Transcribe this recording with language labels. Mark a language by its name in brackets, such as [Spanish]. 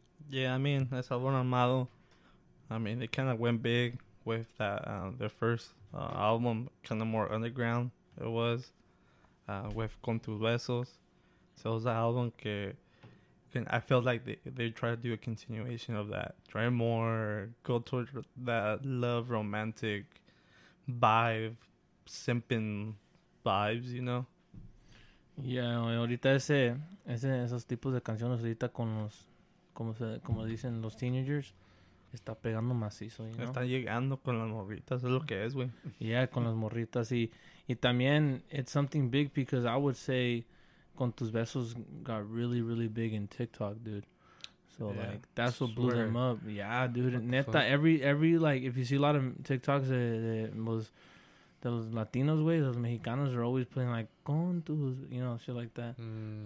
[English] Yeah, I mean, that's how we're on model. I mean, they kind of went big with that their first album, kind of more underground it was, with Con Tus Besos. So it was an album that I felt like they tried to do a continuation of that. Try more, go towards that love, romantic vibe, simping vibes, you know? [Spanish] Yeah, ahorita esos tipos de canciones ahorita con los, como dicen, los teenagers. Está pegando macizo, [English] you know? [Spanish] Están llegando con las morritas, es lo que es, güey. Yeah, con las morritas. Y también, [English] it's something big because I would say Con Tus Besos got really, really big in TikTok, dude. So, yeah, like, that's what blew them up. Yeah, dude. Neta, every like, if you see a lot of TikToks, the Latinos, güey, los Mexicanos are always playing, like, Con Tus, you know, shit like that. Mm-hmm.